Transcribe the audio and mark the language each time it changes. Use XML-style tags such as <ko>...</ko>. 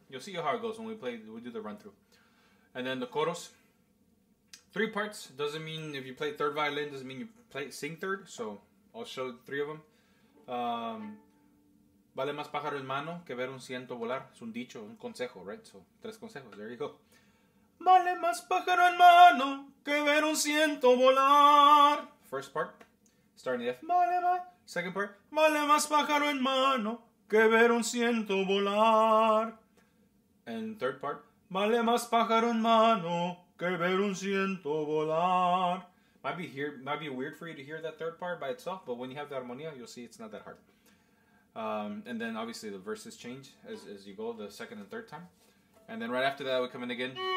<en>You'll see how it goes when we do the run through, and then the coros. Three parts doesn't mean if you play third violin doesn't mean you play sing third. So I'll show three of them.</en> <es>Vale más pájaro en mano que ver un ciento volar. Es un dicho, un consejo, right? So, tres consejos.</es> <en>There you go.</en> <es>Vale más pájaro en mano que ver un ciento volar.</es> <en>First part. Starting the F.</en> <es>Vale más.</es> <en>Second part.</en> <es>Vale más pájaro en mano que ver un ciento volar.</es> <en>And third part.</en> <es>Vale más pájaro en mano que ver un ciento volar.</es> <en>Might be weird for you to hear that third part by itself, but when you have the harmonia, you'll see it's not that hard. And then obviously the verses change as you go the second and third time. And then right after that, we come in again.</en>